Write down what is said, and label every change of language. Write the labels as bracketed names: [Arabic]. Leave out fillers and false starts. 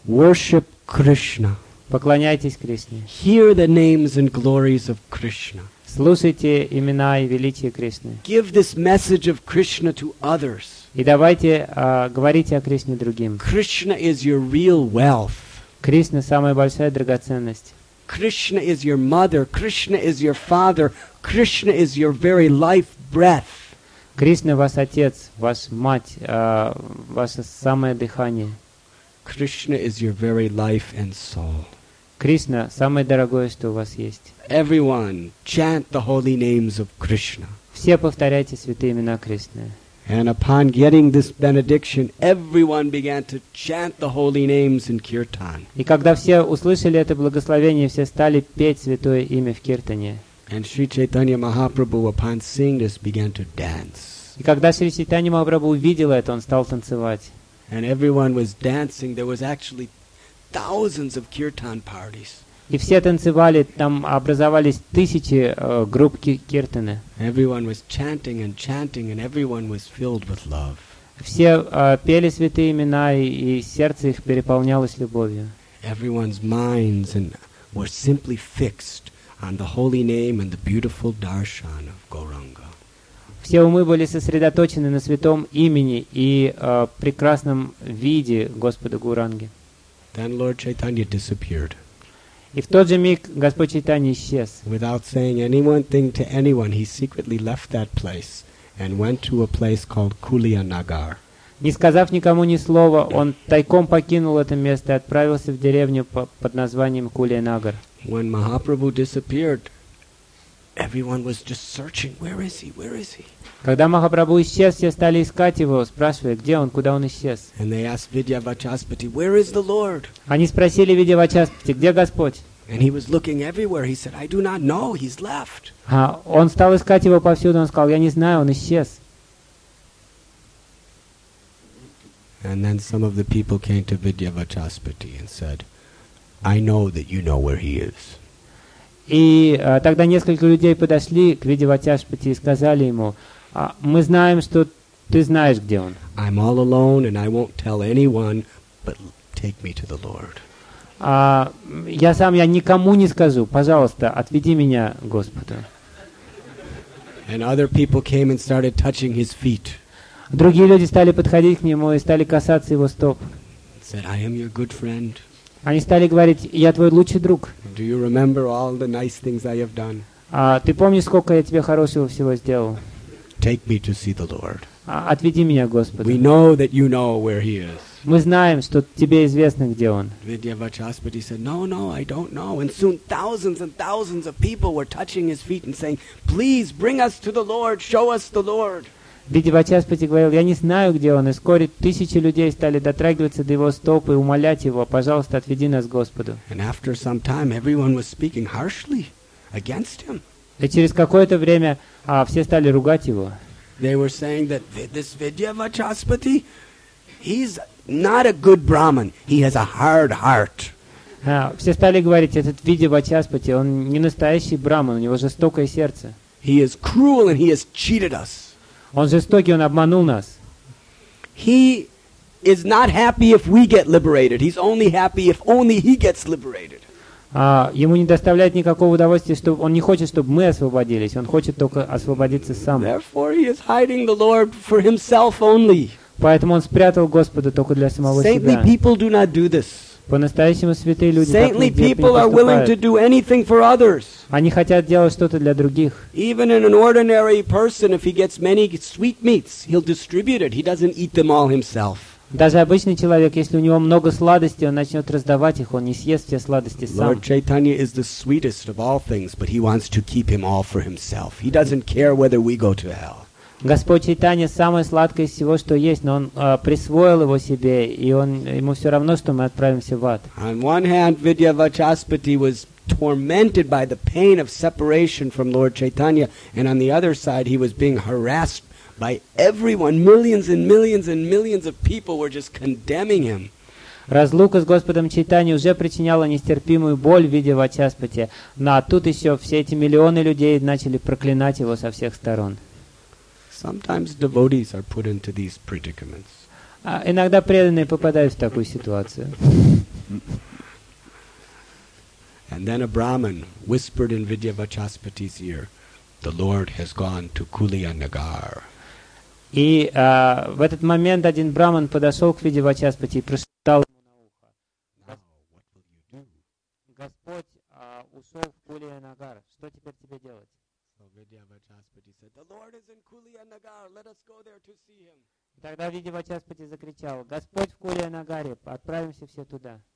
[English] Worship Krishna. [Russian] Поклоняйтесь Кришне. [English] Hear the names and glories of Krishna. [Russian] Слушайте имена и величие Кришны. [English] Give this message of Krishna to others. [Russian] И давайте говорите о Кришне другим. [English] Krishna is your real wealth. [Russian] Кришна самая большая драгоценность. [English] Krishna is your mother. Krishna is your father. Krishna is your very life breath. [Russian] Кришна ваш отец, ваша мать, ваше самое дыхание. [English] Krishna is your very life and soul. [Russian] Кришна самое дорогое, что у вас есть. [English] Everyone chant the holy names of Krishna. [Russian] Все повторяйте святые имена Кришны. [English] And upon getting this benediction, everyone began to chant the holy names in kirtan. [Russian] И когда все услышали это благословение, все стали петь святое имя в киртане. [English] And Sri Chaitanya Mahaprabhu, upon seeing this, began to dance. [Russian] И когда Шри Чайтанья Махапрабху увидел это, он стал танцевать. [English] And everyone was dancing. There was actually thousands of kirtan parties. [Russian] И все танцевали, там образовались тысячи групп киртаны. [English] Everyone was chanting and chanting, and everyone was filled with love. [Russian] Все пели святые имена, и сердце их переполнялось любовью. [English] Everyone's minds and were simply fixed on the holy name and the beautiful darshan of Gauranga. [Russian] Все умы были сосредоточены на святом имени и прекрасном виде Господа Гуранги. [English] Then Lord Chaitanya disappeared. [Russian] И в тот же миг Господь Чайтанья исчез. [English] Without saying anything to anyone, he secretly left that place and went to a place called Kulia Nagar. [Russian] Не сказав никому ни слова, он тайком покинул это место и отправился в деревню под названием Кулия Нагар. [English] When Mahaprabhu disappeared, everyone was just searching. Where is he? Where is he? [Russian] Когда Махапрабху исчез, все стали искать его, спрашивая, где он, куда он исчез. [English] And they asked Vidya Vachaspati, where is the Lord? [Russian] Они спросили Vidya Vachaspati, где Господь? [English] And he was looking everywhere. He said, I do not know. He's left. [Russian] А он стал искать его повсюду. Он сказал, я не знаю, он исчез. [English] And then some of the people came to Vidya Vachaspati and said, I know that you know where he is. [Russian] И тогда несколько людей подошли к Vidya Vachaspati и сказали ему, мы знаем, что ты знаешь, где он. [English] I'm all alone and I won't tell anyone, but take me to the Lord. [Russian] Я никому не скажу. Пожалуйста, отведи меня к Господу. [English] And other people came and started touching his feet. [Russian] Другие люди стали подходить к нему и стали касаться его стоп. [English] Said, I am your good friend. [Russian] Они стали говорить, я твой лучший друг. [English] Do you remember all the nice things I have done? [Russian] Ты помнишь, сколько я тебе хорошего всего сделал? [English] Take me to see the Lord. [Russian] Отведи меня, Господи. [English] We know that you know where he is. [Russian] Мы знаем, что тебе известно, где он. [English] Vidya Vachaspati said, "No, no, I don't know." And soon thousands and thousands of people were touching his feet and saying, "Please bring us to the Lord. Show us the Lord." [Russian] Vidya Vachaspati говорил, я не знаю, где он. И вскоре тысячи людей стали дотрагиваться до его стоп и умолять его, пожалуйста, отведи нас к Господу. [English] And after some time, everyone was speaking harshly against him. [Russian] И через какое-то время все стали ругать его. [English] They were saying that this Vidya Vachaspati, he's not a good Brahmin. He has a hard heart. [Russian] Все стали говорить, этот Vidya Vachaspati, он не настоящий Брахман, у него жестокое сердце. [English] He is cruel and he has cheated us. [Russian] Он жестокий, он обманул нас. [English] He is not happy if we get liberated. He's only happy if only he gets liberated. [Russian] Ему не доставляет никакого удовольствия, что он не хочет, чтобы мы освободились. Он хочет только освободиться сам. [English] Therefore, he is hiding the Lord for himself only. [Russian] Поэтому он спрятал Господа только для самого себя. [English] Saintly people do not do this. [Russian] По-настоящему святые люди так не поступают. Они хотят делать что-то для других. [English] Even in an ordinary person, if he gets many sweetmeats, he'll distribute it. He doesn't eat them all himself. [Russian] Даже обычный человек, если у него много сладостей, он начнет раздавать их, он не съест все сладости сам. [English] Lord Chaitanya is the sweetest of all things, but he wants to keep him all for himself. He doesn't care whether we go to hell. [Russian] Господь Чайтанья самое сладкое из всего, что есть, но он присвоил его себе, и он ему все равно, что мы отправимся в ад. [English] On one hand, Vidya Vachaspati was tormented by the pain of separation from Lord Chaitanya, and on the other side, he was being harassed by everyone. Millions and millions and millions of people were just condemning him. [Russian] Разлука с Господом Чайтанья уже причиняла нестерпимую боль в виде Вачаспати, но тут еще все эти миллионы людей начали проклинать его со всех сторон. [English] Sometimes devotees are put into these predicaments. [Russian] Иногда преданные попадают в такую ситуацию. [English] And then a Brahmin whispered in Vidya Vachaspati's ear, "The Lord has gone to Kuliyanagar." [Russian] И в этот момент один Брахман подошел к Видья Вачаспати и прошептал ему на ухо: "Господь ушел в Кулиянагар. Что теперь тебе делать?" [English] Vidya Vachaspati said, "The Lord is in Kuliyanagar. Let us go there to see him." [Russian] Тогда Vidya Vachaspati закричал: "Господь в Кулиянагаре, отправимся все туда."